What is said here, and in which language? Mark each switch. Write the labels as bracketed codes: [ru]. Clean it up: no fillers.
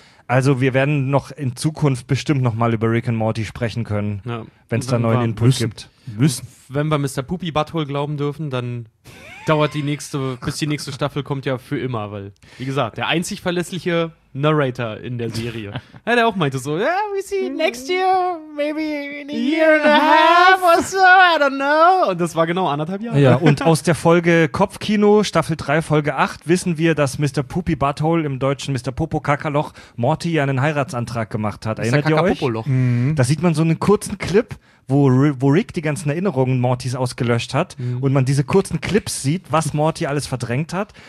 [de] Also wir werden noch in Zukunft bestimmt noch mal über Rick and Morty sprechen können, wenn es da neuen Input gibt. Müssen. Wenn wir Mr. Poopy Butthole glauben dürfen, dann dauert die nächste, bis die nächste Staffel kommt, ja für immer, weil, wie gesagt, der einzig verlässliche Narrator in der Serie. Ja, der auch meinte so, ja, [en] we see next year, maybe in a year and a half or so, I don't know. [de] Und das war genau 1,5 Jahre. Ja, und aus der Folge Kopfkino, Staffel 3, Folge 8, wissen wir, dass Mr. Poopy Butthole, im Deutschen Mr. Popo Kackerloch, Morty einen Heiratsantrag gemacht hat. Erinnert ihr euch? Da sieht man so einen kurzen Clip, wo Rick die ganzen Erinnerungen Mortys ausgelöscht hat und man diese kurzen Clips sieht, was Morty alles verdrängt hat.